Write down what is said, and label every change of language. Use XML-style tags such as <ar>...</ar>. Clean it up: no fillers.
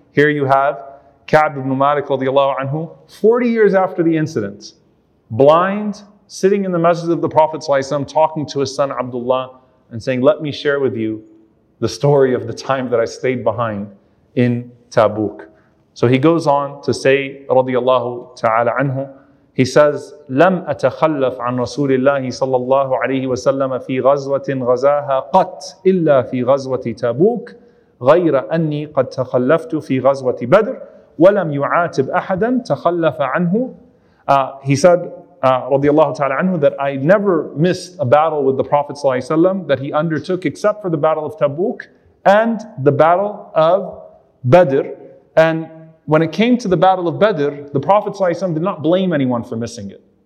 <en>Here you have Ka'ab ibn Malik radiallahu anhu, 40 years after the incident, blind, sitting in the masjid of the Prophet sallallahu alaihi wasallam, talking to his son Abdullah and saying, let me share with you the story of the time that I stayed behind in Tabuk. So he goes on to say, radiallahu ta'ala anhu, he says,</en> <ar>لم أتخلف عن رسول الله صلى الله عليه وسلم في غزوة غزاها قط إلا في غزوة تابوك غير أني قد تخلفت في غزوة بدر ولم يعاتب أحدا تخلف عنه.</ar> <en>He said, radiallahu ta'ala anhu, that I never missed a battle with the Prophet صلى الله عليه وسلم that he undertook except for the battle of Tabuk and the battle of Badr. And when it came to the battle of Badr, the Prophet ﷺ did not blame anyone for missing it.</en>